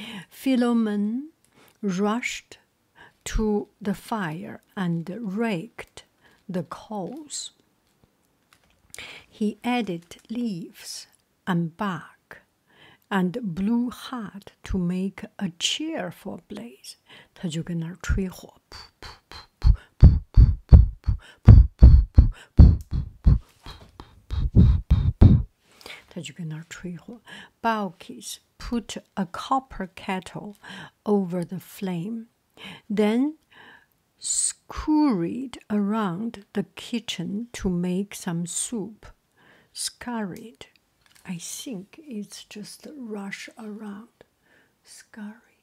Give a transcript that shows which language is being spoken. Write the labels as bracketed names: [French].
[English] Philemon rushed to the fire and raked the coals. He added leaves and bark and blew hard to make a cheerful blaze. [Chinese] 他就跟那儿吹火，噗噗噗噗噗噗噗噗噗噗噗噗噗噗噗噗噗噗噗噗。他就跟那儿吹火。 [English] Balkis put a copper kettle over the flame, then scurried around the kitchen to make some soup. Scurried, I think it's just rush around. Scurried.